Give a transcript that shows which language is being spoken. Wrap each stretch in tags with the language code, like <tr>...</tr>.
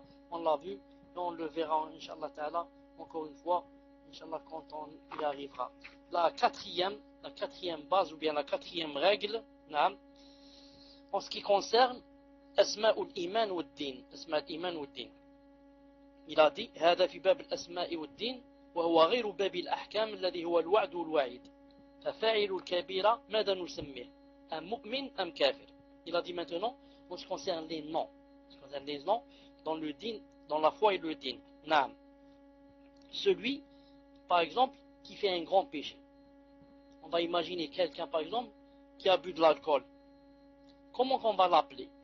<fr>On l'a vu et on le verra, inshallah ta'ala, encore une fois, inshallah, quand on y arrivera. La quatrième base ou bien la quatrième règle, naam, en ce qui concerne Asma ul Iman ou Din, Asma ul Iman ou Din. Il a dit,</fr> <ar>هذا في باب الأسماء والدين وهو غير باب الأحكام الذي هو الوعد والوعيد. ففاعل الكبيرة ماذا نسميه؟</ar> <fr>Un mu'min, un kafir. Il a dit maintenant, en ce qui concerne les noms, en ce qui concerne les noms, dans le din, dans la foi et le din, naam. Celui, par exemple, qui fait un grand péché. On va imaginer quelqu'un, par exemple, qui a bu de l'alcool. Comment qu'on va l'appeler?</fr>